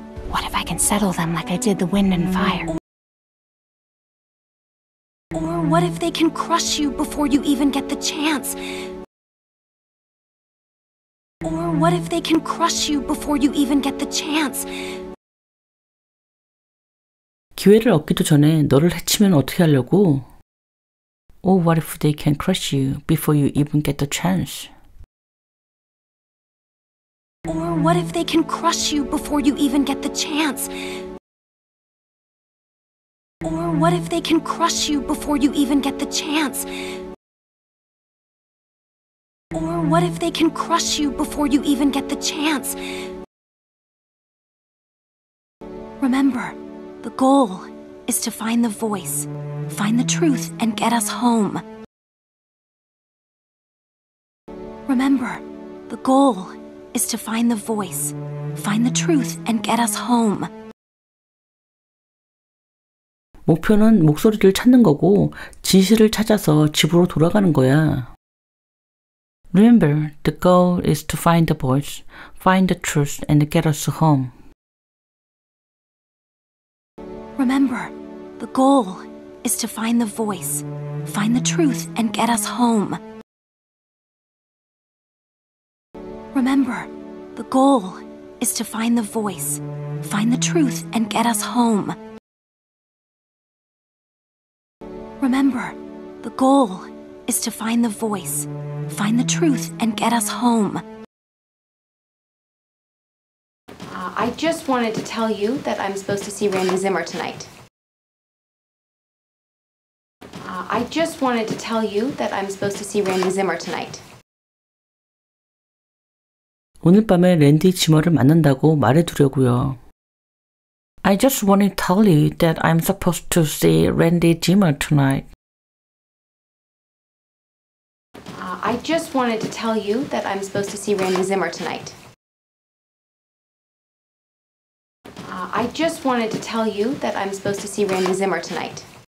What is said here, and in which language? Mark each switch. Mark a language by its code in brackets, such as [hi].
[en] What if I can settle them like I did the wind and fire? Or what if they can crush you before you even get the chance? Or what if they can crush you before you even get the chance? [ko] 기회를 얻기도 전에 너를 해치면 어떻게 하려고? [en] Or what if they can crush you before you even get the chance? Or what if they can crush you before you even get the chance? Or what if they can crush you before you even get the chance? Or what if they can crush you before you even get the chance? Remember, the goal is to find the voice, find the truth, and get us home. Remember, the goal is to find the voice, find the truth, and get us home. [ko] 목표는 목소리를 찾는 거고 진실을 찾아서 집으로 돌아가는 거야. [en] Remember, the goal is to find the voice, find the truth, and get us home. Remember, the goal is to find the voice, find the truth, and get us home. Remember, the goal is to find the voice, find the truth, and get us home. Remember, the goal is to find the voice, find the truth, and get us home. I just wanted to tell you that I'm supposed to see Randy Zimmer tonight. I just wanted to tell you that I'm supposed to see Randy Zimmer tonight. [ko] 오늘 밤에 랜디 지머를 만난다고 말해두려고요. [en] I just wanted to tell you that I'm supposed to see Randy Zimmer tonight. I just wanted to tell you that I'm supposed to see Randy Zimmer tonight. I just wanted to tell you that I'm supposed to see Randy Zimmer tonight.